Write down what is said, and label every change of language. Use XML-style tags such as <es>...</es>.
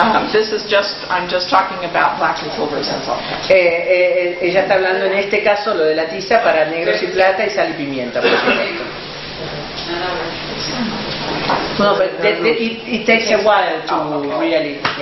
<en>This is just, I'm just talking about black and silver tinsel.</en> <es>Ella está hablando en este caso lo de la tiza para negros y plata y sal y pimienta, por supuesto.</es> <en>No, but it takes a while to really,</en>